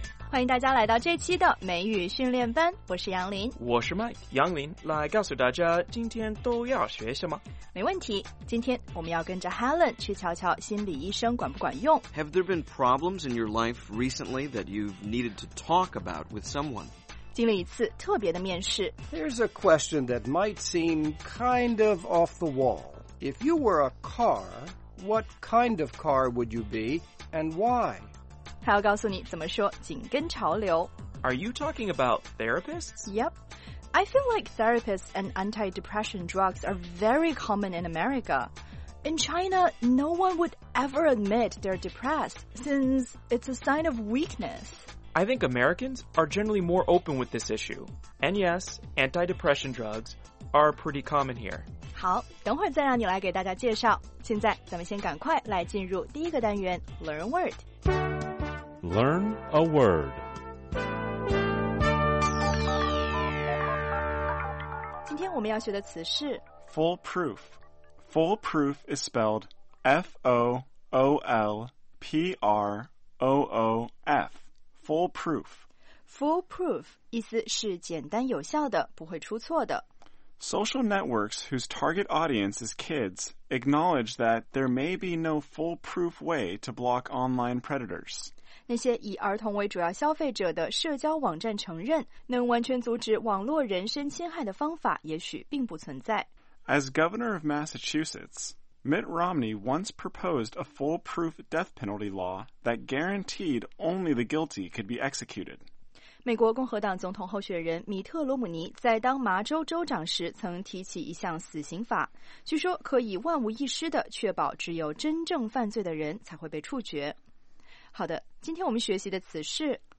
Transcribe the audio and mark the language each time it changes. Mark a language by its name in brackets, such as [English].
[Chinese] 欢迎大家来到这期的美语训练班，我是杨林。我是 Mike， 杨林来告诉大家今天都要学什么。没问题，今天我们要跟着 Helen 去瞧瞧心理医生管不管用。 [English] Have there been problems in your life recently that you've needed to talk about with someone? [Chinese] 经历一次特别的面试。 [English] Here's a question that might seem kind of off the wall. If you were a car, what kind of car would you be and why? [Chinese] 他要告诉你怎么说紧跟潮流。 [English] Are you talking about therapists? Yep. I feel like therapists and anti-depression drugs are very common in America. In China, no one would ever admit they're depressed since it's a sign of weakness. I think Americans are generally more open with this issue. And yes, anti-depression drugs are pretty common here. [Chinese] 好，等会再让你来给大家介绍。现在咱们先赶快来进入第一个单元 [English] Learn Word. Learn a word. [Chinese] 今天我们要学的词是 [English] Foolproof. Foolproof is spelled F-O-O-L-P-R-O-O-F. Foolproof. [Chinese] Foolproof 意思是简单有效的，不会出错的。 [English] Social networks whose target audience is kids acknowledge that there may be no foolproof way to block online predators. [Chinese] 那些以儿童为主要消费者的社交网站承认，能完全阻止网络人身侵害的方法也许并不存在。 [English] As governor of Massachusetts,Mitt Romney once proposed a foolproof death penalty law that guaranteed only the guilty could be executed. [Chinese] 美国共和党总统候选人米特·罗姆尼在当麻州州长时曾提起一项死刑法，据说可以万无一失地确保只有真正犯罪的人才会被处决。好的，今天我们学习的词是